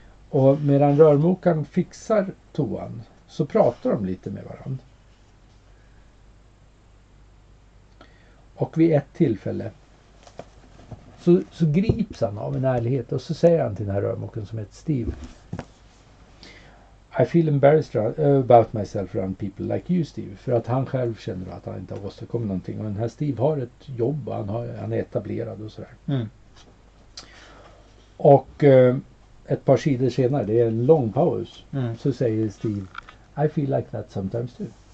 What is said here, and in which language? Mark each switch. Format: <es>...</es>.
<sv>Och medan rörmokaren fixar toan så pratar de lite med varandra. Och vid ett tillfälle så grips han av en ärlighet och så säger han till den här rörmokaren som heter Steve.</sv> <en>I feel embarrassed about myself around people like you, Steve.</en> <sv>För att han själv känner att han inte har åstadkommit någonting. Och den här Steve har ett jobb och han är etablerad och sådär. Och ett par sidor senare, det är en lång paus, så säger Steve,</sv> <en>I feel like that sometimes too.</en>